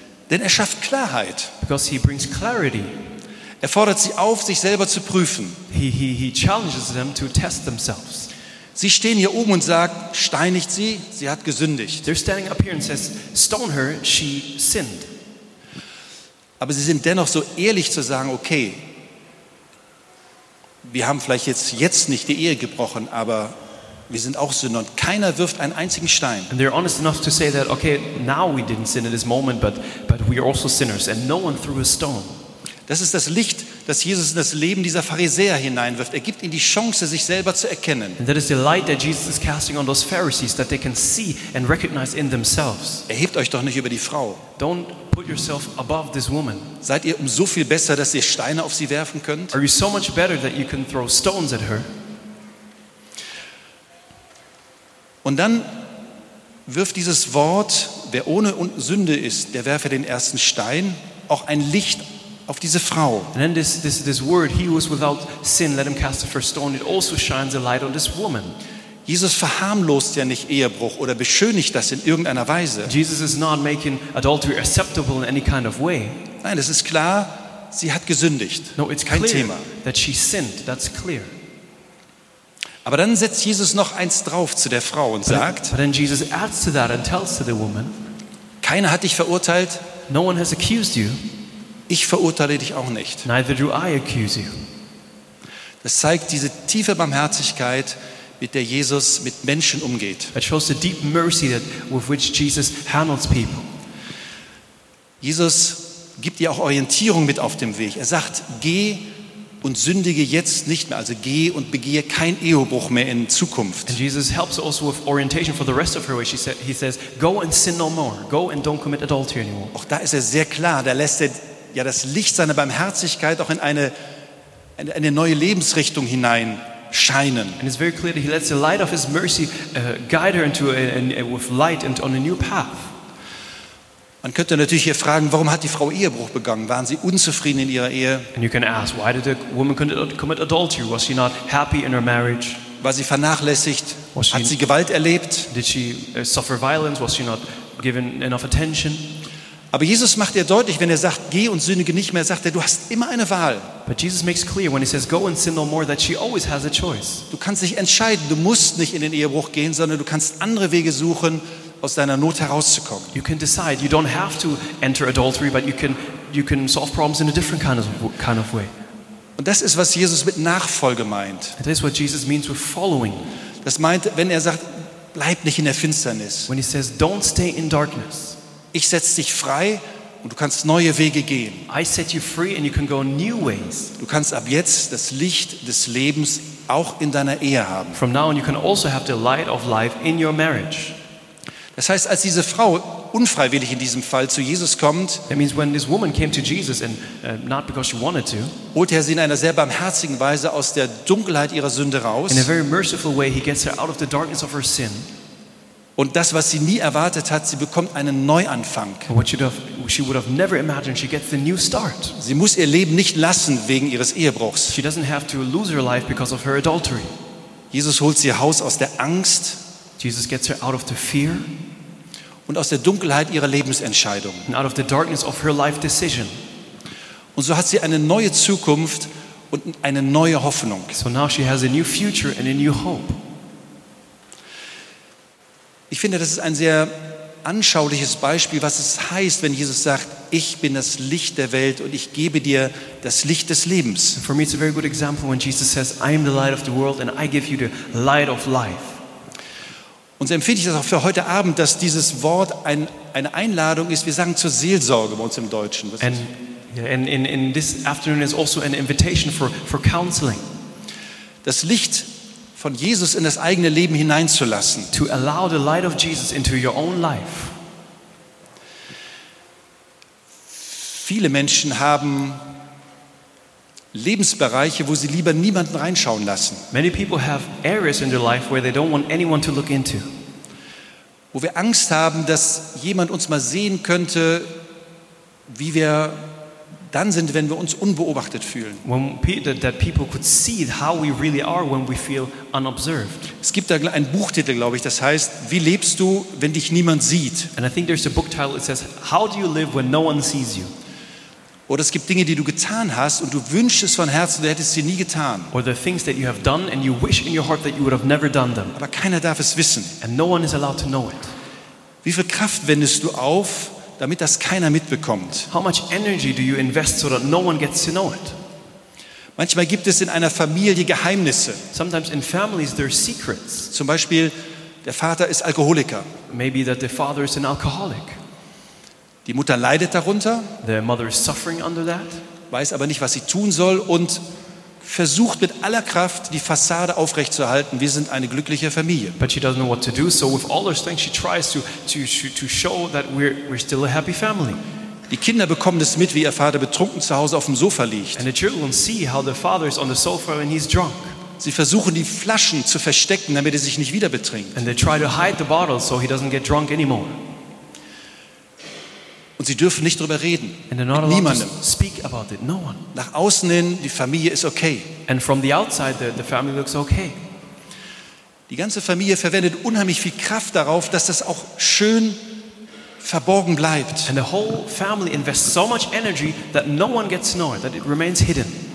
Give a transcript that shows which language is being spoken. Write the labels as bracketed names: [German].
[German] Denn er schafft Klarheit. [English] Because he brings clarity. [German] Er fordert sie auf, sich selber zu prüfen. [English] He challenges them to test themselves. [German] Sie stehen hier oben und sagen, steinigt sie, sie hat gesündigt. [English] They're standing up here and says, stone her, she sinned. [German] Aber sie sind dennoch so ehrlich zu sagen, okay, wir haben vielleicht jetzt nicht die Ehe gebrochen, aber wir sind auch Sünder und keiner wirft einen einzigen Stein. [English] And they're honest enough to say that, okay, now we didn't sin in this moment, but we are also sinners and no one threw a stone. [German] Das ist das Licht, das Jesus in das Leben dieser Pharisäer hineinwirft. Er gibt ihnen die Chance, sich selber zu erkennen. [English] And that is the light that Jesus is casting on those Pharisees, that they can see and recognize in themselves. [German] Erhebt euch doch nicht über die Frau. [English] Don't put yourself above this woman. [German] Seid ihr um so viel besser, dass ihr Steine auf sie werfen könnt? [English] Are you so much better that you can throw stones at her? [German] Und dann wirft dieses Wort, wer ohne Sünde ist, der werfe den ersten Stein, auch ein Licht auf diese Frau. [English] And then this word, he who is without sin, let him cast the first stone, it also shines a light on this woman. [German] Jesus verharmlost ja nicht Ehebruch oder beschönigt das in irgendeiner Weise. [English] Jesus is not making adultery acceptable in any kind of way. [German] Nein, es ist klar, sie hat gesündigt. [English] No, it's [German] kein [English] clear [German] Thema. [English] That she sinned, that's clear. [German] Aber dann setzt Jesus noch eins drauf zu der Frau und sagt, [English] but then Jesus adds to that and tells to the woman, [German] keiner hat dich verurteilt. [English] No one has accused you. [German] Ich verurteile dich auch nicht. [English] Neither do I accuse you. [German] Das zeigt diese tiefe Barmherzigkeit, mit der Jesus mit Menschen umgeht. [English] It shows the deep mercy that with which Jesus handles people. [German] Jesus gibt ihr auch Orientierung mit auf dem Weg. Er sagt, geh und sündige jetzt nicht mehr. Also geh und begehe kein Ehebruch mehr in Zukunft. [English] And Jesus helps also with orientation for the rest of her way. He says, go and sin no more. Go and don't commit adultery anymore. [German] Auch da ist er sehr klar. Da lässt er ja das Licht seiner Barmherzigkeit auch in eine neue Lebensrichtung hinein scheinen. [English] And it's very clear that he lets the light of his mercy guide her into with light and on a new path. [German] Man könnte natürlich hier fragen, warum hat die Frau Ehebruch begangen? Waren sie unzufrieden in ihrer Ehe? [English] And you can ask, why did the woman commit adultery? Was she not happy in her marriage? [German] War sie vernachlässigt? Hat sie Gewalt erlebt? [English] Did she suffer violence? Was she not given enough attention? [German] Aber Jesus macht ihr deutlich, wenn er sagt, geh und sündige nicht mehr, sagt er, du hast immer eine Wahl. [English] But Jesus makes clear when he says go and sin no more that she always has a choice. [German] Du kannst dich entscheiden, du musst nicht in den Ehebruch gehen, sondern du kannst andere Wege suchen, aus deiner Not herauszukommen. [English] You can decide, you don't have to enter adultery, but you can solve problems in a different kind of way. [German] Und das ist, was Jesus mit Nachfolge meint. [English] That is what Jesus means with following. [German] Das meint, wenn er sagt, bleib nicht in der Finsternis. [English] When he says don't stay in darkness. [German] Ich setze dich frei und du kannst neue Wege gehen. [English] I set you free and you can go new ways. [German] Du kannst ab jetzt das Licht des Lebens auch in deiner Ehe haben. [English] From now on you can also have the light of life in your marriage. [German] Das heißt, als diese Frau unfreiwillig in diesem Fall zu Jesus kommt, [English] that means when this woman came to Jesus and not because she wanted to, [German] holte er sie in einer sehr barmherzigen Weise aus der Dunkelheit ihrer Sünde raus. [English] In a very merciful way he gets her out of the darkness of her sin. [German] Und das, was sie nie erwartet hat, sie bekommt einen Neuanfang. [English] She would have never imagined, she gets the new start. [German] Sie muss ihr Leben nicht lassen wegen ihres Ehebruchs. [English] She doesn't have to lose her life because of her adultery. [German] Jesus holt sie raus aus der Angst. [English] Jesus gets her out of the fear. [German] und aus der Dunkelheit ihrer Lebensentscheidung. [English] And out of the darkness of her life decision. [German] Und so hat sie eine neue Zukunft und eine neue Hoffnung. [English] So now she has a new future and a new hope. [German] Ich finde, das ist ein sehr anschauliches Beispiel, was es heißt, wenn Jesus sagt, ich bin das Licht der Welt und ich gebe dir das Licht des Lebens. [English] For me it's a very good example when Jesus says, I am the light of the world and I give you the light of life. [German] Und so empfinde ich das auch für heute Abend, dass dieses Wort eine Einladung ist, wir sagen zur Seelsorge bei uns im Deutschen. [English] And in this afternoon is also an invitation for counseling. [German] Das Licht von Jesus in das eigene Leben hineinzulassen. [English] To allow the light of Jesus into your own life. [German] Viele Menschen haben Lebensbereiche, wo sie lieber niemanden reinschauen lassen. [English] Many people have areas in their life where they don't want anyone to look into. [German] Wo wir Angst haben, dass jemand uns mal sehen könnte, wie wir dann sind, wenn wir uns unbeobachtet fühlen. [English] When that people could see how we really are when we feel unobserved. [German] Es gibt da einen Buchtitel, glaube ich, das heißt, wie lebst du, wenn dich niemand sieht? [English] And I think there's a book title that says, how do you live when no one sees you? [German] Oder es gibt Dinge, die du getan hast und du wünschest von Herzen, du hättest sie nie getan. [English] Or the things that you have done and you wish in your heart that you would have never done them. [German] Aber keiner darf es wissen. [English] And no one is allowed to know it. [German] Wie viel Kraft wendest du auf, damit das keiner mitbekommt? [English] How much energy do you invest so that no one gets to know it? [German] Manchmal gibt es in einer Familie Geheimnisse. [English] Sometimes in families there are secrets. [German] Zum Beispiel, der Vater ist Alkoholiker. [English] Maybe that the father is an alcoholic. [German] Die Mutter leidet darunter. [English] The mother is suffering under that. [German] Weiß aber nicht, was sie tun soll und versucht mit aller Kraft die Fassade aufrechtzuerhalten. Wir sind eine glückliche Familie. [English] But she doesn't know what to do, so with all her strength she tries to show that we're still a happy family. [German] Die Kinder bekommen das mit, wie ihr Vater betrunken zu Hause auf dem Sofa liegt. [English] And the children see how the father is on the sofa when he's drunk. [German] Sie versuchen die Flaschen zu verstecken, damit er sich nicht wieder betrinkt. [English] And they try to hide the bottles so he doesn't get drunk anymore. [German] Und sie dürfen nicht darüber reden. [English] And they're not allowed to speak about it. No one. [German] Nach außen hin, die Familie ist okay. [English] And from the outside, the family looks okay. [German] Die ganze Familie verwendet unheimlich viel Kraft darauf, dass das auch schön verborgen bleibt. [English] And the whole family invests so much energy that no one gets to know it, that it remains hidden.